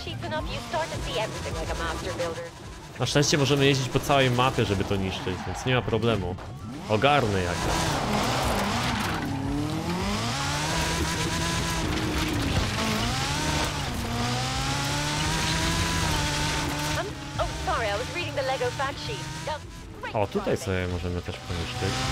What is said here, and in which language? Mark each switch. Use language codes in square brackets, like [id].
[en] sheets enough you start to see everything like a master builder. [pl] Na szczęście możemy jeździć po całej mapie, żeby to niszczyć, więc nie ma problemu. Ogarnę jakoś. [en] Sorry, I was reading the Lego fact sheet. [pl] O, tutaj sobie możemy też poniszczyć.